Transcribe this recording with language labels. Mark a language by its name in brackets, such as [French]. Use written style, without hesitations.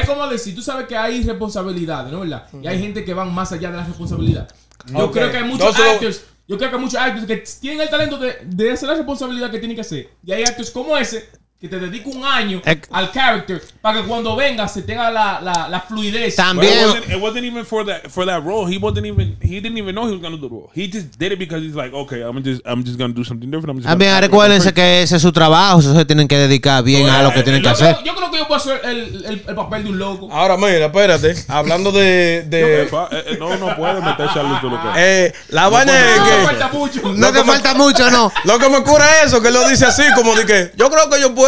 [Spanish] es como decir, tú sabes que hay responsabilidades, ¿no? ¿Verdad? Mm-hmm. Y hay gente que van más allá de la responsabilidad. Okay. Yo creo que hay muchos actors que tienen el talento de hacer la responsabilidad que tienen que hacer. Y hay actores como ese que te dedica un año al character para que cuando venga se tenga la fluidez. También. [English] It wasn't even for that role. He didn't even know he was going to do the role. He just did it because he's like, okay, I'm just going to do something different. [Spanish] También recuérdense que ese es su trabajo. Eso se tienen que dedicar bien a lo que tienen que hacer. Yo creo que yo puedo hacer el papel de un loco. Ahora, mira, espérate. Hablando de no puede meterse al lo que la vaina es que. No te falta mucho, no. Lo que me cura es eso, que lo dice así, como de que yo creo que yo puedo.